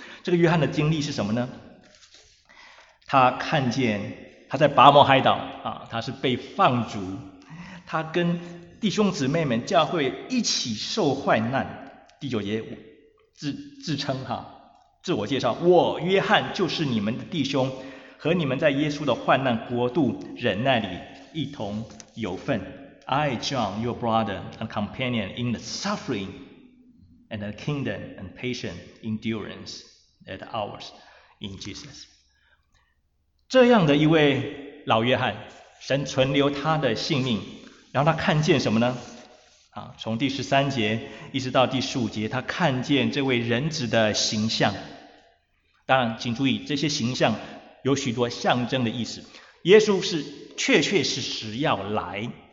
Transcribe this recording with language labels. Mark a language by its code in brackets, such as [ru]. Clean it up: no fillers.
[zh] 这个约翰的经历是什么呢？他看见他在拔摩海岛啊，他是被放逐，他跟弟兄姊妹们教会一起受患难。第九节自称哈，自我介绍，我约翰就是你们的弟兄，和你们在耶稣的患难国度忍耐里一同有份。 [en] I, John, your brother and companion in the suffering and the kingdom and patient endurance at ours in Jesus. [zh] 这样的一位老约翰，神存留他的性命，让他看见什么呢？啊，从第十三节一直到第十五节，他看见这位人子的形象。当然，请注意，这些形象有许多象征的意思。耶稣是确确实实要来，